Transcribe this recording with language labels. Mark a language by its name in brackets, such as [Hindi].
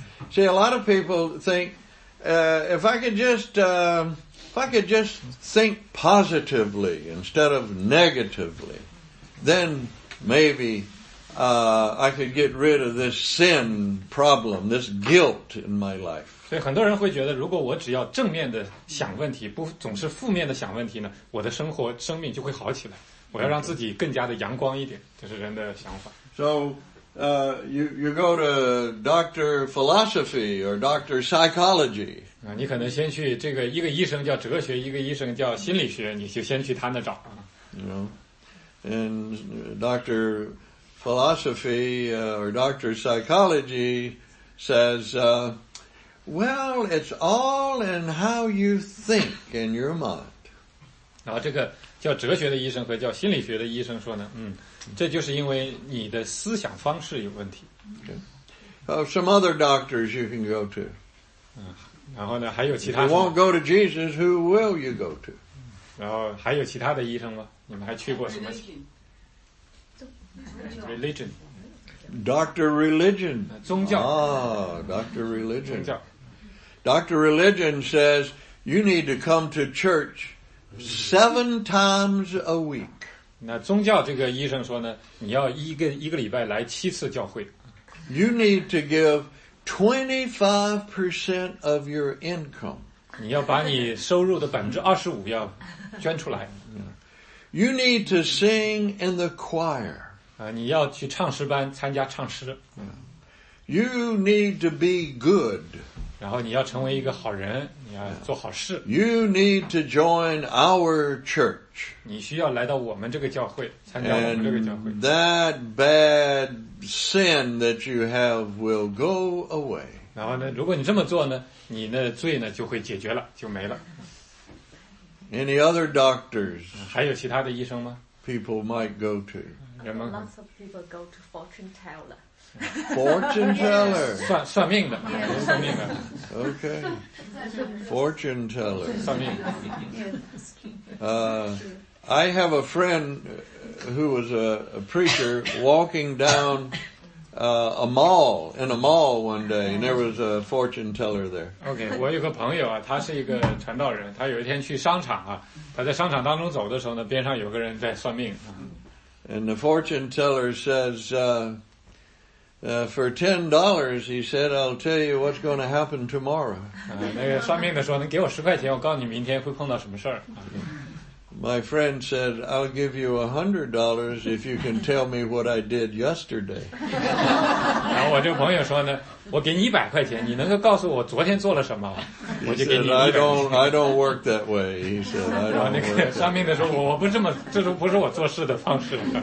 [English] See, a lot of people think, if I could just think positively instead of negatively, then maybe, I could get rid of this sin problem, this guilt in my life. [Chinese] 所以很多人会觉得，如果我只要正面的想问题，不总是负面的想问题呢，我的生命就会好起来。我要让自己更加的阳光一点，这是人的想法。 [English] So, you go to Dr. Philosophy or Dr. Psychology. [Chinese] 你可能先去这个一个医生叫哲学，一个医生叫心理学，你就先去他那找。 [English] You know, and Dr. Philosophy or Dr. Psychology says, Well, it's all in how you think in your mind. [Chinese] 然后这个叫哲学的医生和叫心理学的医生说呢，这就是因为你的思想方式有问题。 [English] Okay. Some other doctors you can go to. [Chinese] 然后呢，还有其他。 [English] You won't go to Jesus, who will you go to? [Chinese] 然后还有其他的医生吗？你们还去过什么 [English] ？Religion. Doctor Religion. [Chinese] 宗教。 [English] Doctor Religion. Dr. Religion says you need to come to church 7 times a week. [Chinese] 那宗教这个医生说呢，你要一个礼拜来7次教会。 [English] You need to give 25% of your income. [Chinese] 你要把你收入的25%要捐出来。 [English] You need to sing in the choir. [Chinese] 你要去唱诗班参加唱诗。 [English] You need to be good. [Chinese] 然后你要成为一个好人，你要做好事。 [English] You need to join our church. [Chinese] 你需要来到我们这个教会，参加我们这个教会。 [English] And that bad sin that you have will go away. [Chinese] 然后呢，如果你这么做呢，你的罪呢就会解决了，就没了。 [English] Any other doctors? [Chinese] 还有其他的医生吗 [English] ？People might go to. Lots of people go to fortune teller. Fortune teller. [Chinese] 算命的。算命的。 [English] Okay. Fortune teller. [Chinese] 算命的。 [English] I have a friend who was a preacher walking down a mall one day, and there was a fortune teller there. [Chinese] Okay, 我有个朋友啊，他是一个传道人，他有一天去商场啊，他在商场当中走的时候呢，边上有个人在算命。 [English] And the fortune teller says, for $10, he said, I'll tell you what's going to happen tomorrow. [Chinese] 那个算命的说，能给我10块钱，我告诉你明天会碰到什么事儿。 [English] My friend said, I'll give you $100 if you can tell me what I did yesterday. [Chinese] 然后我这个朋友说呢，我给你100块钱，你能够告诉我昨天做了什么，我就给你100块钱。 [English] I don't work that way. He said, I don't. [Chinese] 那个算命的说，我不这么，这都不是我做事的方式。